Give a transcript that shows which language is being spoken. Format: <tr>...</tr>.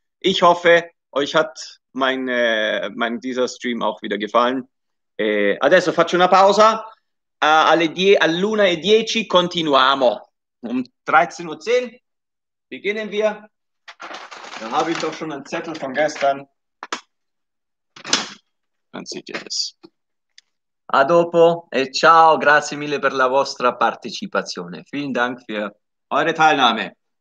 <de>Ich hoffe, euch hat dieser Stream auch wieder gefallen.</de> <it>Adesso faccio una pausa. All'1:10 continuiamo.</it> <de>Um 13:10 beginnen wir. Dann habe ich doch schon einen Zettel von gestern. Dann seht ihr das.</de> <it>A dopo e ciao, grazie mille per la vostra partecipazione.</it> <de>Vielen Dank für eure Teilnahme.</de>